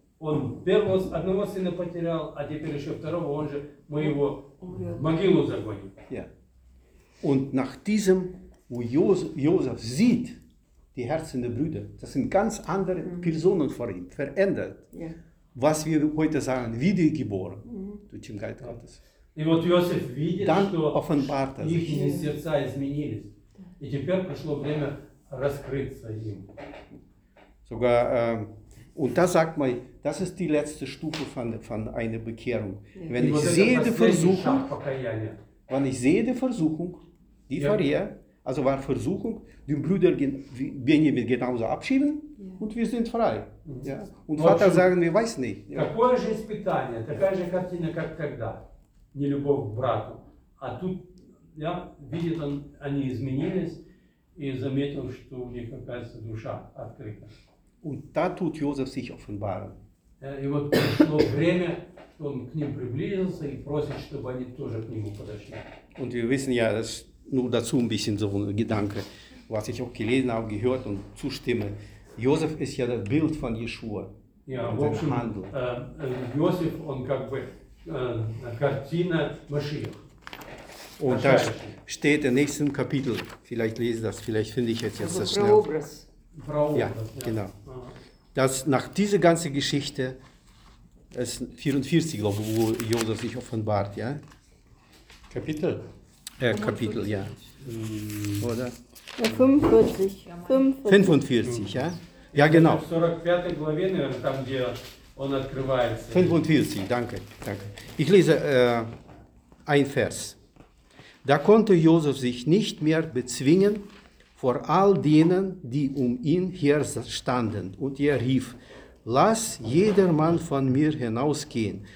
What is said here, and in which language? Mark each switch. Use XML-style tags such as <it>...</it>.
<ru>Он первого одного сына потерял, а теперь еще второго, он же моего могилу загонит.</ru> <de>Ja. Und nach diesem, wo Josef sieht, die Herzen der Brüder, das sind ganz andere Personen vor ihm, verändert. Ja. Was wir heute sagen, wiedergeboren durch den Geist Gottes.</de> <ru>И вот Иосиф видит, dann что их сердца изменились. И теперь пришло время раскрыться им.</ru> <de>Sogar, und da sagt man, das ist die letzte Stufe von einer Bekehrung. Ja. Wenn ich sehe die Versuchung, wenn ich sehe die Versuchung, die vorher, also war Versuchung, die Brüder Benjamin genauso abschieben und wir sind frei. Ja. Und Vater sagen, wir weiß nicht. Ja.</de> <ru>Такое же испытание, такая же картина, как тогда. Не любовь к брату. А тут, ja, видит он, они изменились и заметил, что у них какая-то душа открыта.</ru> <de>Und da tut Josef sich offenbaren. Und wir wissen ja, das ist nur dazu ein bisschen so ein Gedanke, was ich auch gelesen habe, gehört und zustimme. Josef ist ja das Bild von Jeschua. Ja, in seinem Handel.</de> <ru>Josef, он как бы картина Машиах.</ru> <de>Und da steht im nächsten Kapitel, vielleicht lese das, vielleicht finde ich jetzt das schnell. Frau Obras. Ja, genau. Dass nach dieser ganzen Geschichte, es 44, glaube ich, wo Josef sich offenbart, ja? Kapitel? Kapitel, ja. Oder? 45. 45, ja? Ja, genau. 45.</de> <ru>главе, наверное, там, где он открывается.</ru> <de>45, danke, danke. Ich lese ein Vers. Da konnte Josef sich nicht mehr bezwingen vor all denen, die um ihn her standen. Und er rief, lass jedermann von mir hinausgehen.</de>